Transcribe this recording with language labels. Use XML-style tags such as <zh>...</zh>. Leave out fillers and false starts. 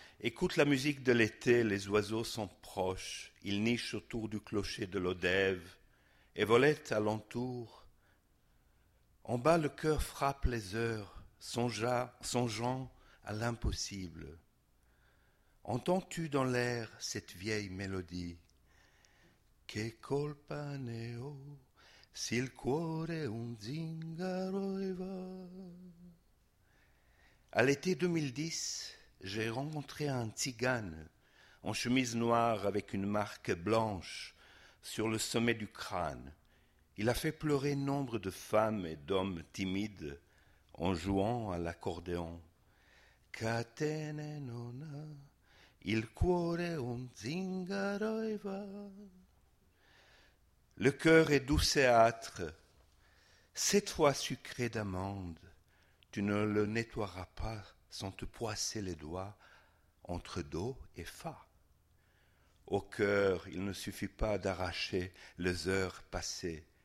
<fr>Écoute la musique de l'été, les oiseaux sont proches, ils nichent autour du clocher de l'Odève, et volettent alentour. En bas, le cœur frappe les heures, songeant à l'impossible. Entends-tu dans l'air cette vieille mélodie?</fr> <it>Che colpa ne ho se il cuore un zingaro e va.</it> <fr>À l'été 2010, j'ai rencontré un tzigane en chemise noire avec une marque blanche sur le sommet du crâne. Il a fait pleurer nombre de femmes et d'hommes timides en jouant à l'accordéon.</fr> <it>Catene non ha il cuore un zingaro e va.</it> <fr>Le cœur est doux et âtre. Cette fois sucré d'amande, tu ne le nettoieras pas sans te poisser les doigts entre do et fa. Au cœur, il ne suffit pas d'arracher les heures passées.</fr>